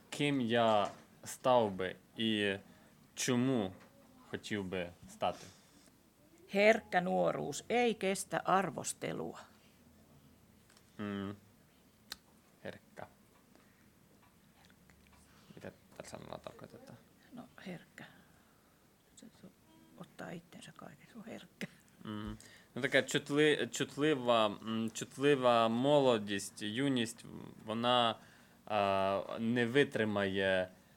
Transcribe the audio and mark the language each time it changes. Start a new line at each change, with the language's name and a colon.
Ukrainian: Ким я став би і чому хотів би стати?
Finnish: Herkkä nuoruus ei kestä arvostelua. Herkkä. Mitä tällä sanalla tarkoitetaan? No herkkä. Se ottaa itsensä kaiken, se on herkkä.
Ukrainian: No така чутлива молодість, юність, вона не витримає